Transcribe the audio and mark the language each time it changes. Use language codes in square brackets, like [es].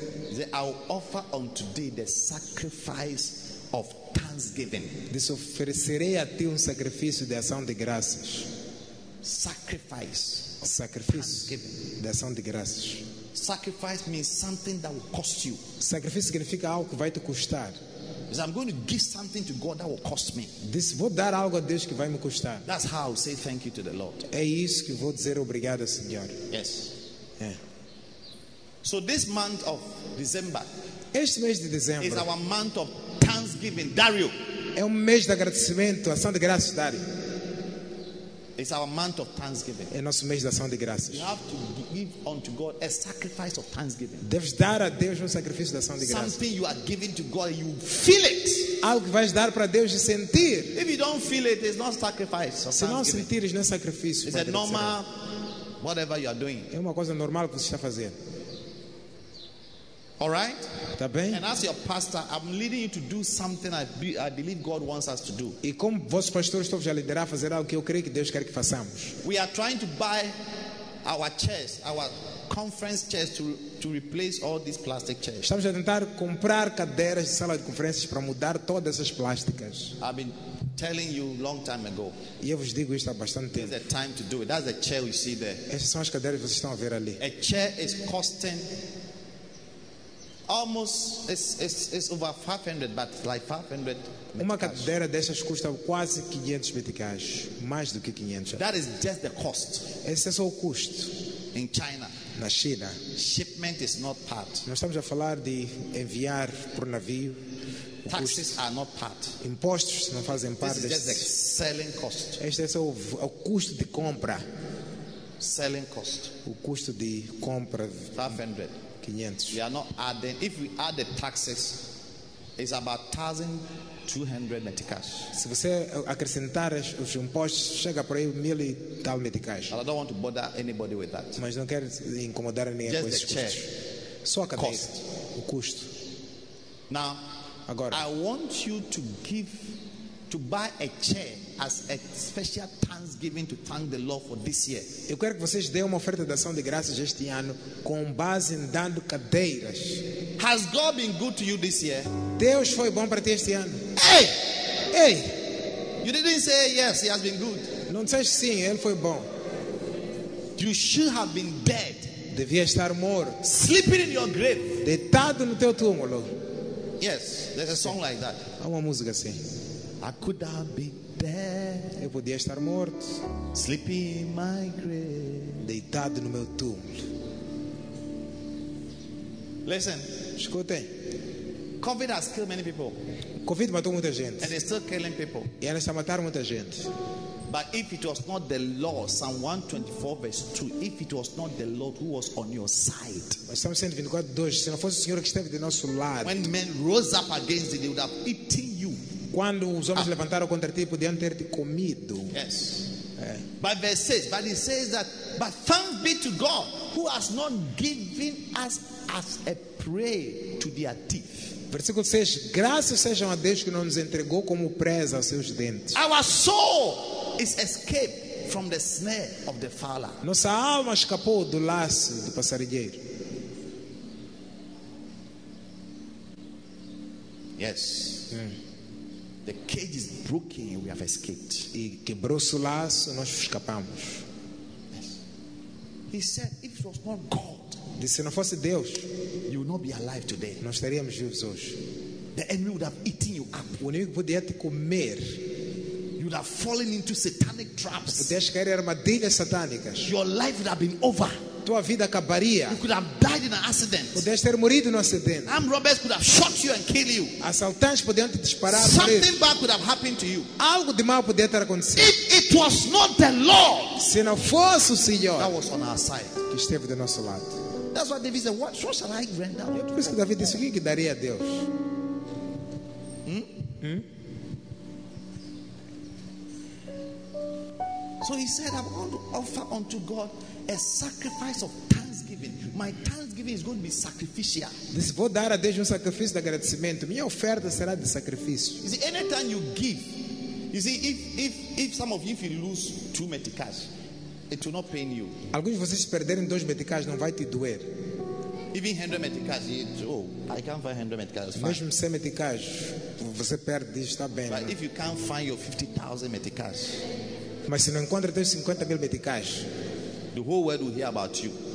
[en] he said, "I'll offer on today the sacrifice of thanksgiving." [pt] Disse, oferecerei a ti sacrifício de ação de graças. [en] Sacrifice. [pt] Sacrifício de ação de graças. [en] Sacrifice means something that will cost you. [pt] Sacrifício significa algo que vai te custar. [en] Because I'm going to give something to God that will cost me. This, [pt] vou dar algo a Deus que vai me custar. [en] That's how I say thank you to the Lord. [pt] É isso que vou dizer obrigado, Senhor. [en] Yes. Yeah. So this month of December. [pt] Este mês de dezembro. [en] Is our month of thanksgiving, Dario. [pt] É um mês de agradecimento, ação de graças, Dario. [en] It's our month of thanksgiving. [pt] É nosso mês de ação de graças. [en] You have to give unto God a sacrifice of thanksgiving. [pt] Deves dar a Deus sacrifício de ação de graças. [en] Something you are giving to God, you feel it. [pt] Algo que vais dar para Deus e sentir. [en] If you don't feel it, it's not sacrifice. [pt] Se não sentires, não é sacrifício. [en] It's a normal, whatever you are doing. [pt] É uma coisa normal que você está fazendo. [en] All right? [pt] Tá bem? [en] And as your pastor, I'm leading you to do something I believe God wants us to do. [pt] E como vosso pastor, estou já a liderar a fazer algo que eu creio que Deus quer que façamos. [en] We are trying to buy our chairs, our conference chairs to replace all these plastic chairs. [pt] Estamos a tentar comprar cadeiras de sala de conferências para mudar todas essas plásticas. [en] I've been telling you long time ago. [pt] E eu vos digo isto há bastante tempo. [en] It's the time to do it. That's the chair you see there. [pt] Essas são as cadeiras que vocês estão a ver ali. [en] A chair is costing almost it's over 500, but like 500. [pt] Uma cadeira dessas custa quase 500 meticais, mais do que 500. [en] That is just the cost. [pt] Esse é só o custo. [en] In China. [pt] Na China. [en] Shipment is not part. [pt] Nós estamos a falar de enviar por navio. [en] taxes are not part. [pt] Impostos não fazem parte. [en] This is just the selling cost. [pt] Este é só o custo de compra. [en] Selling cost. [pt] O custo de compra. 500. 500. [en] We are not adding. If we add the taxes, it's about 1,200 meticais. [pt] Se você acrescentar os impostos, chega para aí 1,000 e tal meticais. [en] I don't want to bother anybody with that. [pt] Mas não quero incomodar ninguém [en] just [pt] com esses [en] the [pt] custos. [en] Chair. [pt] Só a cadeia. O custo. [en] Now, [pt] agora, [en] I want you to give, to buy a chair as a special thanksgiving to thank the Lord for this year. [pt] Eu quero que vocês deem uma oferta de ação de graças este ano com base em dando cadeiras. [en] Has God been good to you this year? [pt] Deus foi bom para ti este ano. Hey! Hey! You didn't say yes, he has been good. Não disseste sim, ele foi bom. [en] You should have been dead. [pt] Devia estar morto. [en] Sleeping in your grave. [pt] Deitado no teu túmulo. [en] Yes, there's a song like that. [pt] Há uma música assim. [en] I could have been dead. [pt] Eu podia estar morto. [en] Sleeping in my grave. [pt] Deitado no meu túmulo. [en] Listen. [pt] Escutem. [en] COVID has killed many people. [pt] COVID matou muita gente. [en] And it's still killing people. [pt] E ainda está a matar muita gente. [en] But if it was not the Lord, Psalm 124 verse 2, if it was not the Lord who was on your side. [pt] Mas Salmo 124:2, se não fosse o Senhor que esteve de nosso lado. [en] When men rose up against thee, they would have eaten you. [pt] Quando os homens levantaram contra ti, podiam ter-te comido. [en] Yes. But verse 6, but it says that, but thanks be to God who has not given us as a prey to their teeth. [pt] Versículo 6, graças sejam a Deus que não nos entregou como presa aos seus dentes. [en] Our soul is escaped from the snare of the fowler. [pt] Nossa alma escapou do laço do passarinheiro. [en] Yes. The cage is broken, we have escaped. [pt] E quebrou-se o laço, nós escapamos. [en] Yes. He said, if it was not God, [pt] disse, se não fosse Deus, [en] you would not be alive today. [pt] Nós estaríamos vivos hoje. [en] The enemy would have eaten you up. [pt] O inimigo poderia te comer. [en] You would have fallen into satanic traps. [pt] Podias cair em armadilhas satânicas. [en] Your life would have been over. [pt] Tua vida acabaria. [en] You could have died in an accident. [pt] Podias ter morrido num acidente. [en] Armed robbers could have shot you and killed you. [pt] Assaltantes podiam te disparar. [en] Something bad could have happened to you. [pt] Algo de mal poderia ter acontecido. [en] If it was not the Lord, [pt] se não fosse o Senhor, [en] that was on our side, [pt] que esteve do nosso lado. [en] That's why David said, what shall I render? [pt] É por isso que David disse, o que daria a Deus? [en] So he said, I'm going to offer unto God a sacrifice of thanksgiving. My thanksgiving is going to be sacrificial. [pt] Vou dar a Deus sacrifício de agradecimento. Minha oferta será de sacrifício. [en] You see, anytime you give, you see, if some of you, if you lose 2 meticais, it will not pain you. [pt] Alguns de vocês perderem 2 meticais, não vai te doer. [en] Even 100 meticais, I can't find 100 meticais. [pt] Mesmo 100 meticais, você perde, está bem. [en] But if you can't find your 50,000 meticais, [pt] mas se não encontra teus 50 mil meticais, [en] the whole world will hear about you.